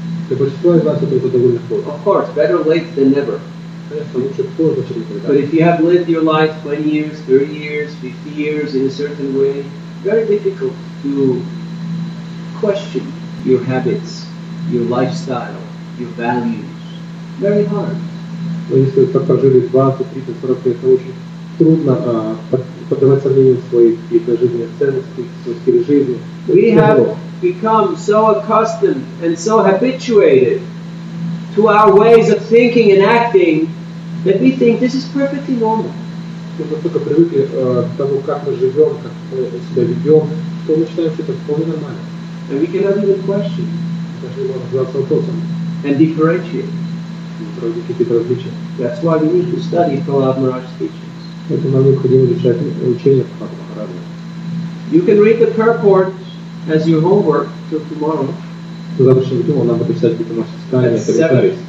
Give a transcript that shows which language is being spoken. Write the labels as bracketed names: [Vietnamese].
[English] Of course, better late than never. But if you have lived your life 20 years, 30 years, 50 years in a certain way, very difficult to question your habits, your lifestyle, your values. Very hard. [Russian] Но если так прожили 20, 30, 40 лет, то очень трудно подавать сомнения в своих жизненных ценностях, в своих стиле жизни. [English] We have become so accustomed and so habituated to our ways of thinking and acting that we think this is perfectly normal. [Russian] Мы настолько привыкли к тому, как мы живем, как мы себя ведем, что мы считаем, что это вполне нормально. [English] And we can have even question. [Russian] Даже можно задаться вопросом. [English] And differentiate. [Russian] Какие-то различия. [English] That's why we need to study Prahlad Maharaj's teachings. [Russian] Поэтому нам необходимо изучать учение Прахлада Махараджа. [English] You can read the purport as your homework till tomorrow. [Russian] В завтрашнем дне нам надо писать какие-то наши сказания, комментарии.